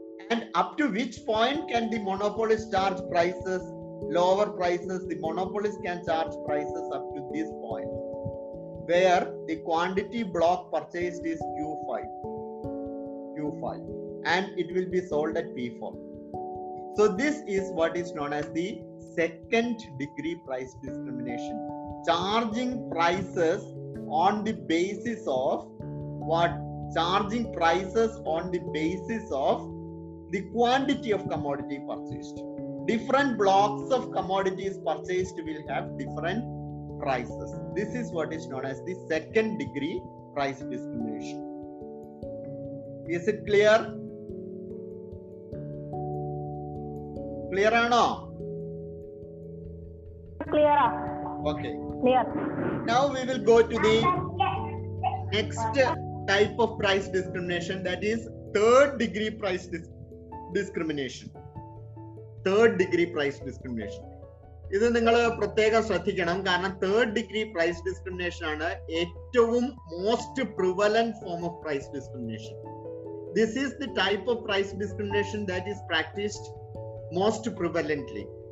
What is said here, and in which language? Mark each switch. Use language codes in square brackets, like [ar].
[en] And up to which point can the monopolist charge prices lower prices? The monopolist can charge prices up to this point where the quantity block purchased is Q5 and it will be sold at P4. So this is what is known as the second degree price discrimination. Charging prices on the basis of what? charging prices on the basis of the quantity of commodity purchased. Different blocks of commodities purchased will have different prices. This is what is known as the second degree price discrimination. Is it clear? Clear or no? Clear. Okay. Clear. Now we will go to the next type of price discrimination, that is third degree price discrimination. Third degree price discrimination. [ml] ഇത് നിങ്ങൾ പ്രത്യേകം ശ്രദ്ധിക്കണം, കാരണം third degree price discrimination ആണ് ഏറ്റവും [en] Most prevalent form of price discrimination. This is the type of price discrimination that is practised most prevalently.